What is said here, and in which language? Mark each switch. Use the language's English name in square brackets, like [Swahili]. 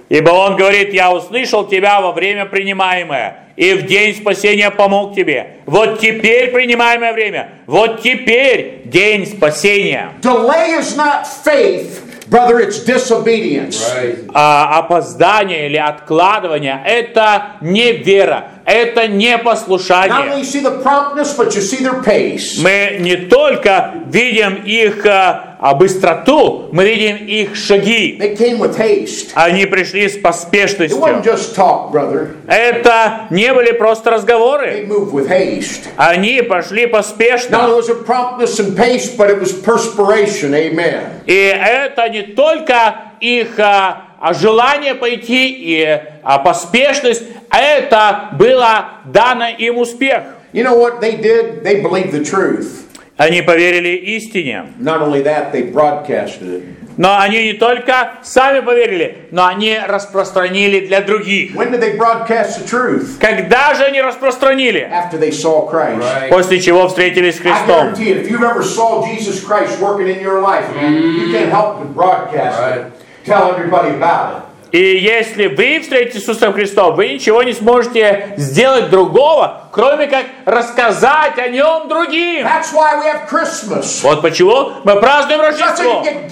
[Russian] Ибо он говорит, я услышал тебя во время принимаемое, и в день спасения помог тебе. Вот теперь принимаемое время. Вот теперь день спасения. [English] Delay is not faith. Brother, it's disobedience. Right. [Russian] Опоздание или откладывание – это не вера, это не послушание. [English] Not only you see the promptness, but you see their pace. [Russian] Мы не только видим их быстроту, мы видим их шаги. [English] They came with haste. [Russian] Они пришли с поспешностью. [English] It wasn't just talk, brother. [Russian] Это не были просто разговоры. [English] They moved with haste. [Russian] Они пошли поспешно. [English] Not only was it promptness and pace, but it was perspiration. Amen. [Russian] И это не только их желание пойти и поспешность, это было дано им успех. [English] You know what they did? They believed the truth. [Russian] Они поверили истине. [English] Not only that, they broadcasted it. [Russian] Но они не только сами поверили, но они распространили для других. [English] When did they broadcast the truth? [Russian] Когда же они распространили? [English] After they saw Christ. Right. [Russian] После чего встретились с Христом. [English] I guarantee it, if you've ever saw Jesus Christ working in your life, you can't help but broadcast it. Right. Tell everybody about it. [Russian] И если вы встретите Иисуса Христа, вы ничего не сможете сделать другого, кроме как рассказать о Нем другим. [English] That's why we have Christmas. [Russian] Вот почему мы празднуем Рождество.